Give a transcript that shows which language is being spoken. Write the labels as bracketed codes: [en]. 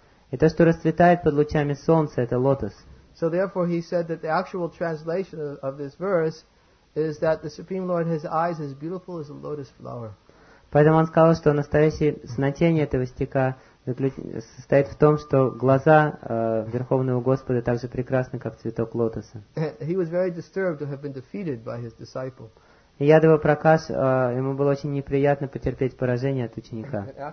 [ru] И то, что расцветает под лучами солнца, это лотос. [en] So therefore, he said that the actual translation of this verse is that the Supreme Lord has eyes as beautiful as a lotus flower. [ru] Поэтому он сказал, что настоящее значение этого стиха состоит в том, что глаза Верховного Господа также прекрасны, как цветок лотоса. [en] He was very disturbed to have been defeated by his disciple. [ru] И Ядава Пракаш, ему было очень неприятно потерпеть поражение от ученика.